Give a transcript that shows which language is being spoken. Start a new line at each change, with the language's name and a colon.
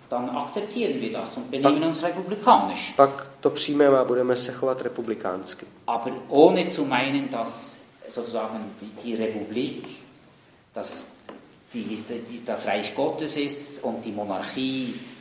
German: dann akzeptieren wir das und benehmen uns republikanisch.
Czech: Pak to přijmeme a budeme se chovat republikánsky.
German: Aber ohne zu meinen, dass sozusagen die Republik, dass das Reich Gottes ist und die Monarchie